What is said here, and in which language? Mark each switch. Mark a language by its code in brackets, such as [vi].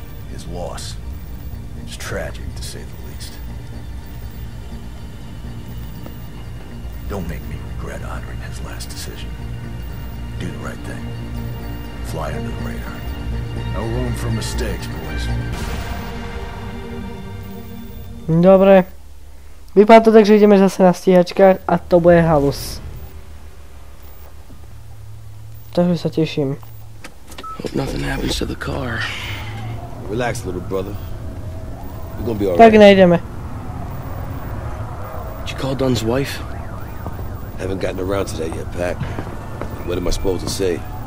[en] His loss is tragic, to say the least. Don't make me regret honoring his last decision. Do the right thing. Fly under the radar. No room for mistakes, boys. [sk] Dobre. Vypadá to tak, že ideme zase na stíhačkách a to bude halus. Takže sa teším. [en] Hope nothing happens to the car. Relax, little brother. We're gonna be all right. [sk] Tak nejdeme. [en] Did you call Dunn's wife? Haven't gotten around to that yet, Pac. What am I supposed to say?